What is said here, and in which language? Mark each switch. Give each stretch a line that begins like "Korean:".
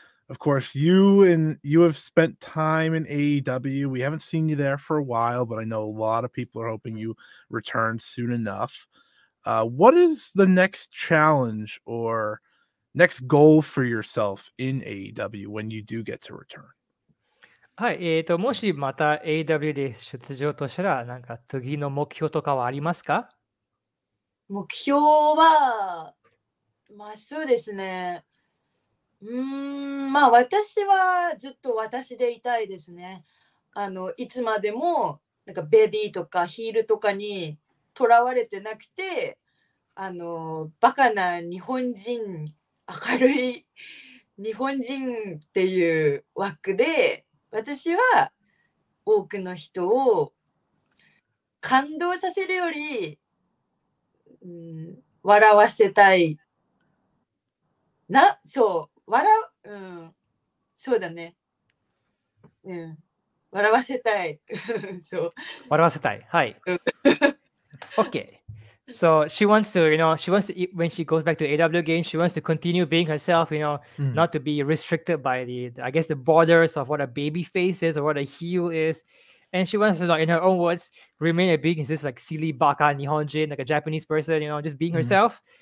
English: Of course, you have spent time in AEW. We haven't seen you there for a while, but I know a lot of people are hoping you return soon enough. What is the next challenge or... Next goal for yourself in AEW when you do get to return?
Japanese: はい、もしまた AEW で出場としたら、なんか次の目標とかはありますか？目標は、まあそうですね。まあ私はずっと私でいたいですね。あの、いつまでもなんかベビーとかヒールとかにとらわれてなくて、あの、バカな日本人明るい日本人っていう枠で私は多くの人を感動させるより、笑わせたいな、そう、笑う、そうだね、笑わせたいそう、笑わせたい、はい OK。
English: So she wants to, you know, she wants to, when she goes back to AEW again, she wants to continue being herself, you know, not to be restricted by the, I guess, the borders of what a baby face is or what a heel is. And she wants to, like, in her own words, remain a big, just like silly
Japanese: baka Nihonjin,
English: like a Japanese person, you know, just being herself.